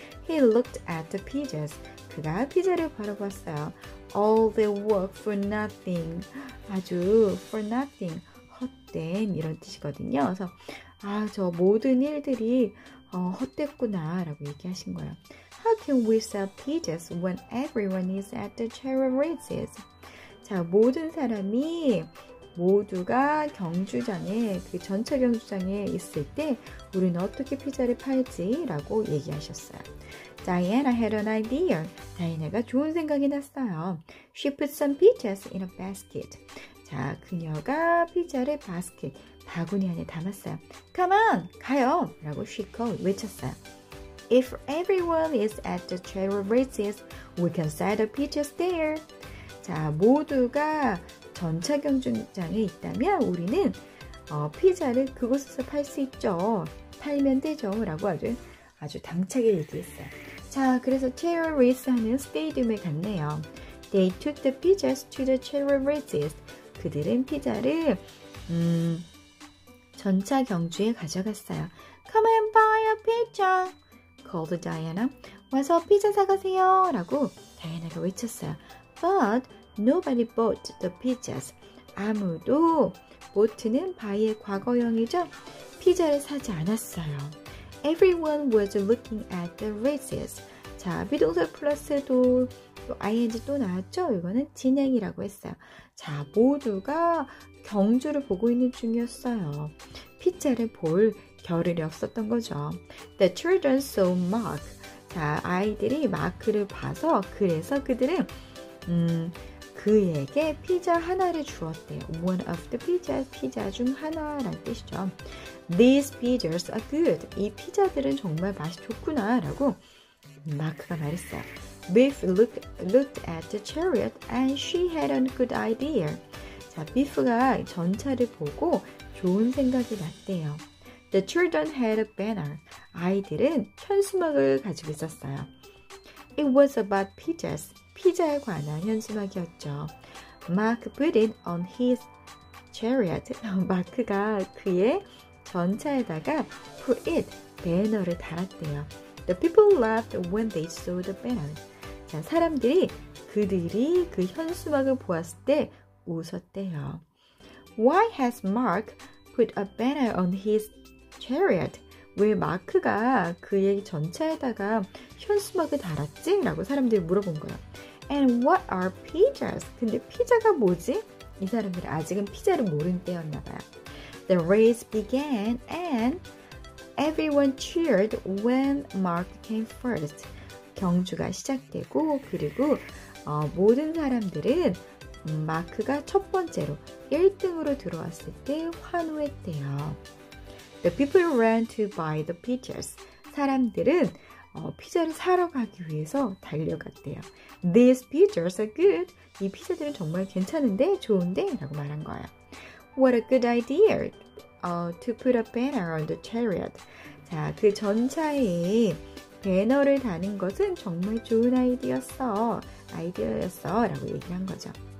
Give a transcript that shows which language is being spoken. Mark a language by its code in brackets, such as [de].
[en] He looked at the pizzas. [ko] 그가 피자를 바라봤어요. [en] All the work for nothing. 아주 for nothing. [ko] 헛된 이런 뜻이거든요. 그래서 아, 저 모든 일들이 헛됐구나 라고 얘기하신 거예요. [en] How can we sell pizzas when everyone is at the chariot races? [ko] 자, 모든 사람이 모두가 경주장에 그 전차 경주장에 있을 때 우리는 어떻게 피자를 팔지 라고 얘기하셨어요. [en] Diana had an idea. [ko] 다이애나가 좋은 생각이 났어요. [en] She put some pizzas in a basket. [ko] 자, 그녀가 피자를 바스켓, 바구니 안에 담았어요. [en] Come on, [ko] 가요! 라고 [en] she called, [ko] 외쳤어요. [en] If everyone is at the chariot races, we can sell the pizzas there. [ko] 자, 모두가 전차 경주장에 있다면 우리는 피자를 그곳에서 팔 수 있죠. 팔면 되죠. 라고 아주 아주 당차게 얘기했어요. 자, 그래서 chariot race 하는 스테이디움에 갔네요. [en] They took the pizzas to the chariot races. [ko] 그들은 피자를 전차 경주에 가져갔어요. [en] Come and buy a pizza, called Diana. [ko] 와서 피자 사가세요. 라고 다이애나가 외쳤어요. [en] But nobody bought the pizzas. [ko] 아무도 bought는 buy의 과거형이죠. 피자를 사지 않았어요. [en] Everyone was looking at the races. [ko] 자, 비동사 플러스도 또 ing 또 나왔죠. 이거는 진행이라고 했어요. 자, 모두가 경주를 보고 있는 중이었어요. 피자를 볼 겨를이 없었던 거죠. [en] The children saw Mark. [ko] 자, 아이들이 마크를 봐서 그래서 그들은 그에게 피자 하나를 주었대요. [en] One of the pizzas, [ko] 피자 중 하나라는 뜻이죠. [en] These pizzas are good. [ko] 이 피자들은 정말 맛이 좋구나 라고 마크가 말했어요. [en] Beef looked at the chariot and she had a good idea. [ko] 자, 비프가 전차를 보고 좋은 생각이 났대요. [en] The children had a banner. [ko] 아이들은 현수막을 가지고 있었어요. [en] It was about pizzas. [ko] 피자에 관한 현수막이었죠. [en] Mark put it on his chariot. [ko] 마크가 그의 전차에다가 [en] put it, [ko] 배너를 달았대요. [en] The people laughed when they saw the banner. [ko] 자, 사람들이 그들이 그 현수막을 보았을 때 웃었대요. [en] Why has Mark put a banner on his chariot? [ko] 왜 마크가 그의 전차에다가 현수막을 달았지? 라고 사람들이 물어본 거예요. [en] And what are pizzas? [ko] 근데 피자가 뭐지? 이 사람들이 아직은 피자를 모르는 때였나봐요. [en] The race began and everyone cheered when Mark came first. [ko] 경주가 시작되고 그리고 모든 사람들은 마크가 첫 번째로 1등으로 들어왔을 때 환호했대요. [en] The people ran to buy the pizzas. [ko] 사람들은 피자를 사러 가기 위해서 달려갔대요. [en] These pizzas are good. [ko] 이 피자들은 정말 괜찮은데 좋은데 라고 말한 거예요. [en] What a good idea to put a banner on the chariot. [ko] 자, 그 전차에 배너를 다는 것은 정말 좋은 아이디어였어 라고 얘기한 거죠.